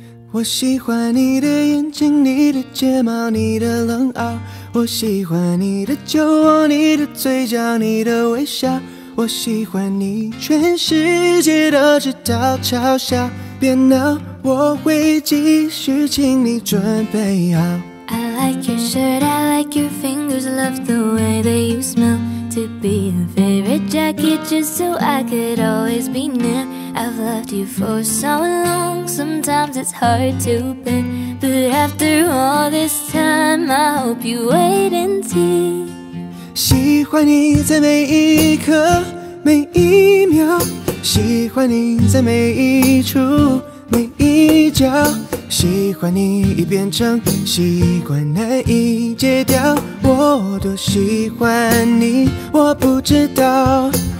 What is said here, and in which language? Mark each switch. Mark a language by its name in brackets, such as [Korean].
[Chinese] 我喜欢你的眼睛，你的睫毛，你的冷傲，我喜欢你的酒窝，你的嘴角，你的微笑，我喜欢你，全世界都知道，嘲笑别闹，我会继续，请你准备好。 [English] I like your shirt, I like your fingers, love the way that you smell. To be your favorite jacket, just so I could always be near. I've loved you for so long, sometimes it's hard to bear. But after all this time, I hope you wait and see. [Chinese] 喜欢你在每一刻每一秒，喜欢你在每一处每一角，喜欢你已变成习惯难以戒掉，我多喜欢你我不知道。